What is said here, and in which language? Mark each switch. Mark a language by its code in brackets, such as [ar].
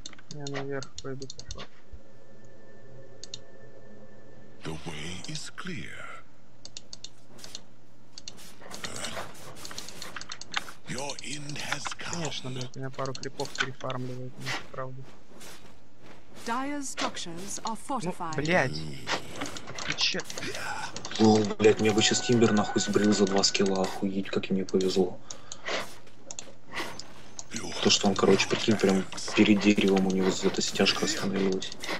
[ru] Я наверх пойду, пошла. [en] The way is clear. Your end has come. [ru] Конечно, блядь, у меня пару крипов перефармливает, не правда. [en] Dire's structures are fortified. [ru] Ну, блядь. О, блядь, мне бы сейчас тимбер нахуй сбрил за 2 скилла, охуеть, как мне повезло. То, что он, короче, прикинь, прям перед деревом у него эта стяжка остановилась.